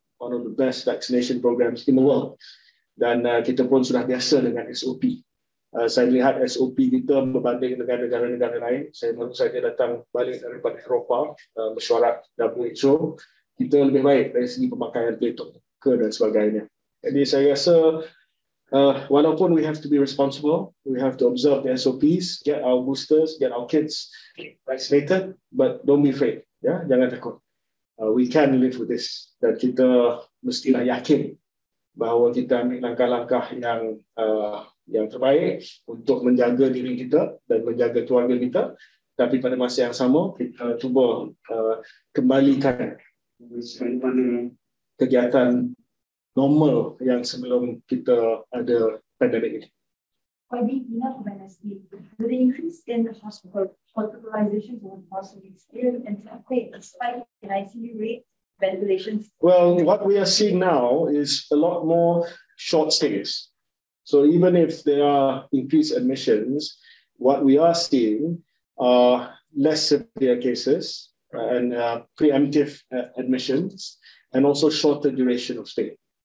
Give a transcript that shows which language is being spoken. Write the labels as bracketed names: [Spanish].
[English] One of the best vaccination programs in the world. [Malay] Dan kita pun sudah biasa dengan SOP. Saya lihat SOP kita berbanding dengan negara-negara lain. Saya baru saja datang balik daripada Eropah, mesyuarat WHO. Kita lebih baik dari segi pemakaian pelitup muka dan sebagainya. Jadi saya rasa walaupun [English] we have to be responsible, we have to observe the SOPs, get our boosters, get our kids vaccinated, but don't be afraid. [Malay] Yeah? Jangan takut. [English] We can live with this. [Malay] Dan kita mestilah yakin bahawa kita ambil langkah-langkah yang yang terbaik untuk menjaga diri kita dan menjaga keluarga kita. Tapi pada masa yang sama, kita cuba kembalikan kegiatan normal yang sebelum kita ada pandemik ini. [English] By being enough of NSD, will the increase in the hospitalization won't possibly scale and affect the spike in ICU rate ventilations? Well, what we are seeing now is a lot more short stays. So even if there are increased admissions, what we are seeing are less severe cases and preemptive admissions and also shorter duration of stay.